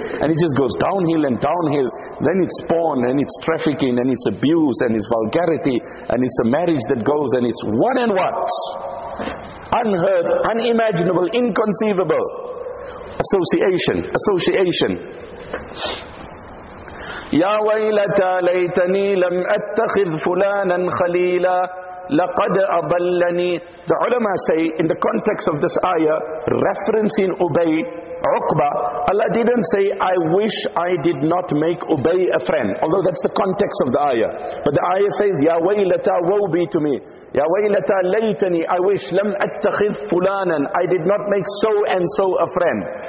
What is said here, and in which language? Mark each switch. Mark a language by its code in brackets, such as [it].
[en] And it just goes downhill and downhill. Then it's porn and it's trafficking and it's abuse and it's vulgarity. And it's a marriage that goes and it's what and what. Unheard, unimaginable, inconceivable. association, association. [ar] يا ويلتا ليتني لم أتخذ فلانا خليلا لقد أضلني. [en] The ulama say in the context of this ayah, referencing Ubay, Uqba, Allah didn't say, I wish I did not make Ubay a friend. Although that's the context of the ayah. But the ayah says, [ar] Ya waylata, [en] woe be to me. [ar] Ya waylata, laytani, [en] I wish, [ar] lam attakhidh fulanan, [en] I did not make so and so a friend.